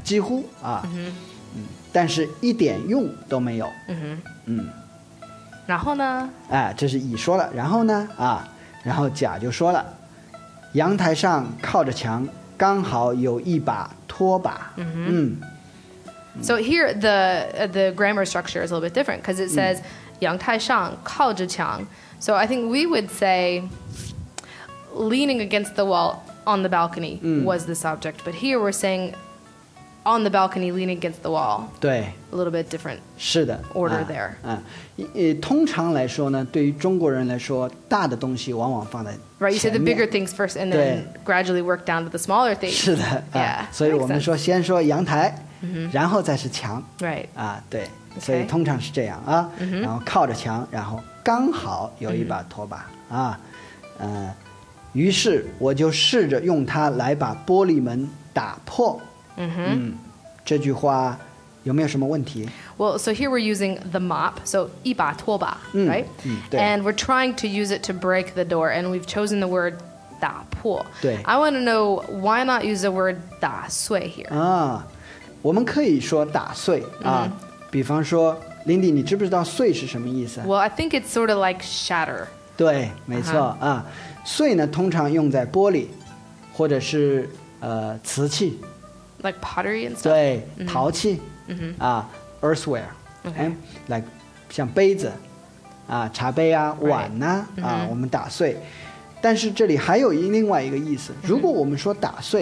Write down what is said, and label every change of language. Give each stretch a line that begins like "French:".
Chinese: 几乎啊。 mm-hmm。嗯，但是一点用都没有。 mm-hmm。嗯，然后呢，哎，这是乙说了，然后呢啊，然后甲就说了，阳台上靠着墙刚好有一把拖把。 mm-hmm。嗯，
English: so here the grammar structure is a little bit different because it says
Chinese: 阳台上靠着墙，
English: so I think we would say leaning against the wallOn the balcony was the subject, but here we're saying on the balcony, leaning against the wall.
Chinese: 对，
English: a little bit different.
Chinese: 是的，
English: order 啊， there.
Chinese: 啊，通常来说呢，对于中国人来说，大的东西往往放在前面。
English: Right, you say the bigger things first, and then gradually work down to the smaller things.
Chinese: 是的，
English: yeah。
Chinese: 啊，所以我们说先说阳台， mm-hmm。然后再是墙。
English: Right.
Chinese: 啊，对， okay。所以通常是这样啊。 Mm-hmm。然后靠着墙，然后刚好有一把拖把，mm-hmm。 啊，于是我就试着用它来把玻璃门打破。 Mm-hmm。嗯，这句话有没有什么问题？
English: Well, so here we're using the mop, so
Chinese: 一把拖把，嗯，
English: right？
Chinese: 嗯，对。
English: And we're trying to use it to break the door, and we've chosen the word 打破。
Chinese: 对。
English: I want to know why not use the word 打碎 here？
Chinese: 啊，我们可以说打碎啊， mm-hmm。比方说 Lindy， 你知不知道碎是什么意思？
English: Well, I think it's sort of like shatter。
Chinese: 对，没错， uh-huh。啊。碎呢通常用在玻璃或者是瓷器
English: like pottery and stuff，
Chinese: 对，陶器， mm-hmm。
English: 啊， earthware， okay。
Chinese: like 像杯子啊，茶杯啊，碗呢，啊，
English: right。啊， mm-hmm。
Chinese: 我们打碎，但是这里还有另外一个意思，如果我们说打碎，